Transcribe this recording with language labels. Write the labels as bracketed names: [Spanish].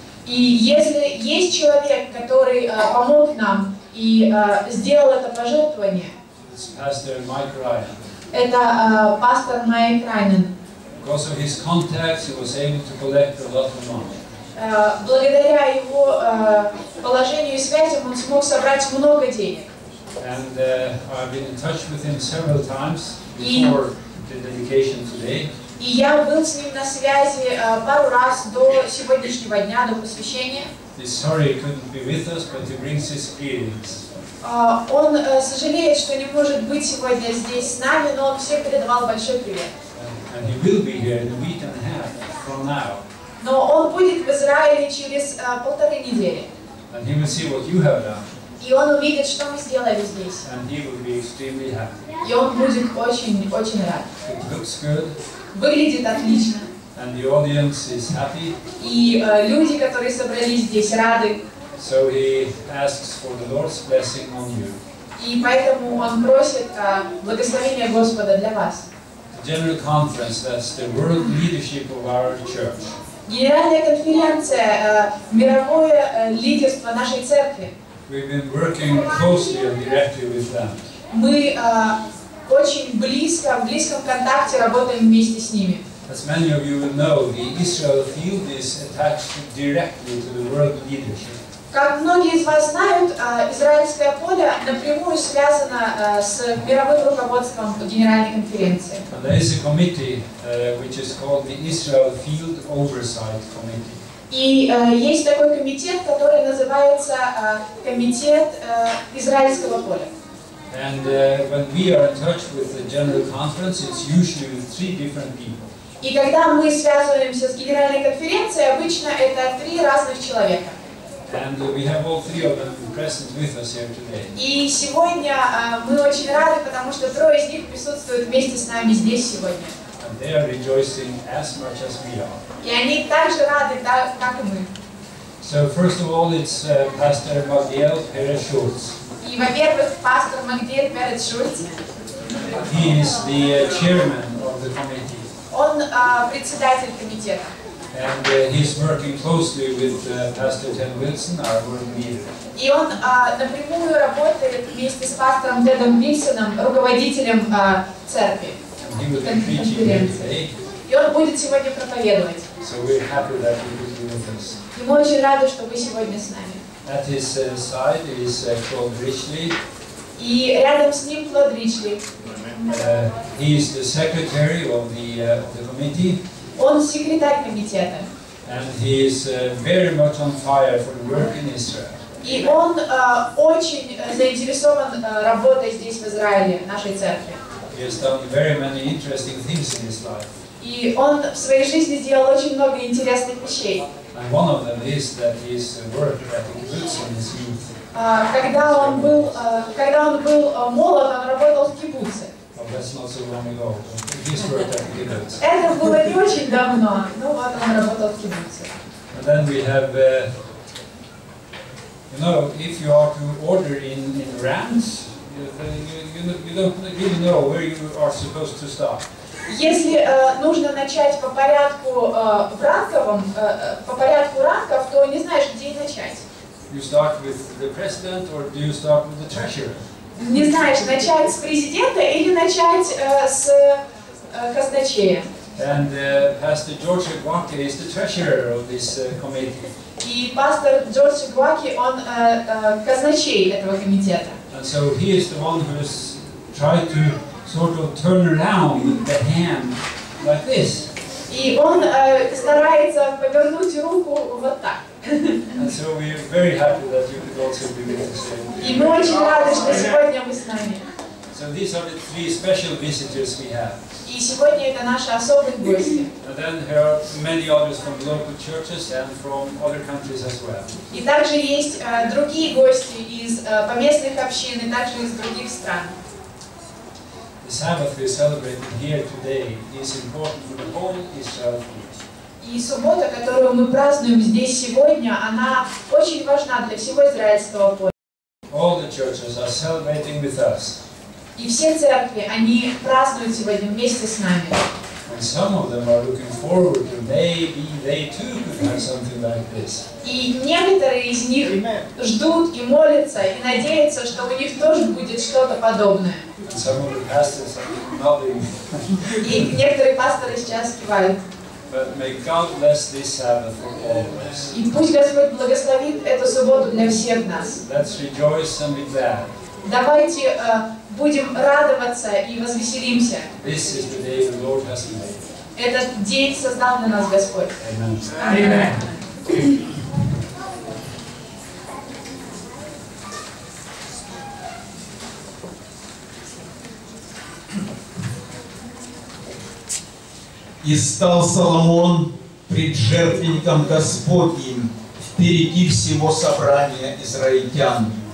[Russian] И если есть человек, который помог нам и сделал это пожертвование. [English] It's Pastor Mike Ryan. [Russian] Это пастор Майк Райнен. [English] Because of his contacts, he was able to collect a lot of money. [Russian] Благодаря его положению и связям он смог собрать много денег. [English] And I've been in touch with him several times before the dedication today. [Russian] И я был с ним на связи пару раз до сегодняшнего дня, до посвящения. [English] He's sorry he couldn't be with us, but he brings his greetings. [Russian] Он сожалеет, что не может быть сегодня здесь с нами, но он всем передавал большой привет. [English] And he will be here in a week and a half from now. [Russian] Но он будет в Израиле через полторы недели. [English] And he will see what you have done. [Russian] И он увидит, что мы сделали здесь. [English] And he will be extremely happy. [Russian] И он будет очень-очень рад. [English] It looks good. [Russian] Выглядит отлично. [English] And the audience is happy. [Russian] И люди, которые собрались здесь, рады. [English] So he asks for the Lord's blessing on you. [Russian] И поэтому он просит благословения Господа для вас. [English] The General Conference, that's the world leadership of our church. [Russian] Генеральная конференция, мировое лидерство нашей церкви. [English] We've been working closely and directly with them. [Russian] Мы очень близко, в близком контакте работаем вместе с ними. [English] As many of you will know, the Israel field is attached directly to the world leadership. [Russian] Как многие из вас знают, израильское поле напрямую связано с мировым руководством Генеральной конференции. [English] And there is a committee which is called the Israel Field Oversight Committee. [Russian] И есть такой комитет, который называется Комитет Израильского поля. [English] And when we are in touch with the General Conference, it's usually with three different people. [Russian] И когда мы связываемся с Генеральной конференцией, обычно это три разных человека. [English] And we have all three of them present with us here today. [Russian] И сегодня мы очень рады, потому что трое из них присутствуют вместе с нами здесь сегодня. [English] And they are rejoicing as much as we are. [Russian] И они так же рады, как и мы. [English] So first of all, it's Pastor Magdiel Perez Schultz. [Russian] И во-первых, Pastor Magdiel Perez Schultz. [English] He is the chairman of the committee. [Russian] Он председатель комитета. [English] And he's working closely with Pastor Ted Wilson, our world leader. [Russian] И он напрямую работает вместе с пастором Тедом Вильсоном, руководителем церкви. [English] He will be preaching here today. [Russian] И он будет сегодня проповедовать. [English] So we're happy that he will be with us. [Russian] И мы очень рады, что вы сегодня с нами. [English] At his side is Claude Richley. [Russian] И рядом с ним Claude Richley. [English] He is the secretary of the committee. [Russian] Он секретарь комитета. [English] And he is very much on fire for the work in Israel. [Russian] И он очень заинтересован работой здесь в Израиле, в нашей церкви. [English] He has done very many interesting things in his life. [Russian] И он в своей жизни сделал очень много интересных вещей. [English] And one of them is that he has worked at the kibbutz in his youth. [Russian] Когда он был молод, он работал в кибуце. [English] Well, that's not so long ago. He's worked at the kibbutz. [Russian] Это было не очень давно, но вот он работал в кибуце. [English] And then we have, you know, if you are to order in rands, you don't really know where you are supposed to stop. [Russian] Если нужно начать по порядку в ранковом, по порядку ранков, то не знаешь, где и начать. [English] You start with the president or do you start with the treasurer? [Russian] Не знаешь, начать с президента или начать с казначея. [English] And Pastor George Gwaki is the treasurer of this committee. [Russian] И пастор Джордж Гваки, он казначей этого комитета. [English] And so he is the one who has tried to sort of turn around the hand like this. [Russian] И он старается повернуть руку вот так. [English] And so we are very happy that you could also be with us. [Russian] И мы очень рады, что сегодня вы с нами. [English] So these are the three special visitors we have. [Russian] И сегодня это наши особые гости. [English] And then there are many others from local churches and from other countries as well. [Russian] И также есть другие гости из поместных общин и также из других стран. [English] The Sabbath we are celebrating here today is important for the whole Israel. [Russian] И суббота, которую мы празднуем здесь сегодня, она очень важна для всего израильского поля. [English] All the churches are celebrating with us. [Russian] И все церкви, они празднуют сегодня вместе с нами. [English] And some of them are looking forward to maybe they too could have something like this. [Russian] И некоторые из них ждут и молятся и надеются, что у них тоже будет что-то подобное. [English] And some of the pastors are nodding. [Russian] И некоторые пасторы сейчас кивают. [English] But may God bless this Sabbath for all of us. [Russian] И пусть Господь благословит эту субботу для всех нас. [English] Let's rejoice and be glad. [Russian] Давайте будем радоваться и возвеселимся. [English] This is the day the Lord has made. [Russian] Этот день создал для нас Господь. [English] Amen. Amen. [Russian] И стал Соломон пред жертвенником Господним впереди всего собрания израильтян.